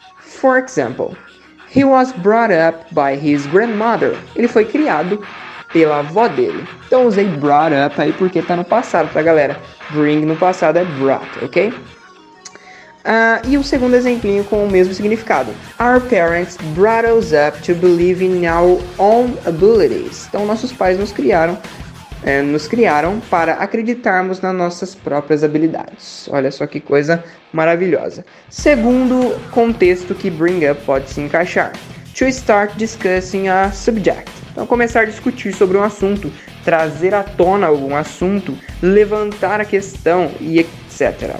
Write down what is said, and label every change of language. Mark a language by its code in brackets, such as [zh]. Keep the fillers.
[en] For example, he was brought up by his grandmother. [pt] Ele foi criado pela avó dele. Então usei brought up aí porque tá no passado, tá galera? Bring no passado é brought, ok? Uh, e o um segundo exemplinho com o mesmo significado. [en] Our parents brought us up to believe in our own abilities. [pt] Então nossos pais nos criaram nos criaram para acreditarmos nas nossas próprias habilidades. Olha só que coisa maravilhosa. Segundo contexto que Bring Up pode se encaixar: [en] To start discussing a subject. [pt] Então, começar a discutir sobre um assunto, trazer à tona algum assunto, levantar a questão e etc.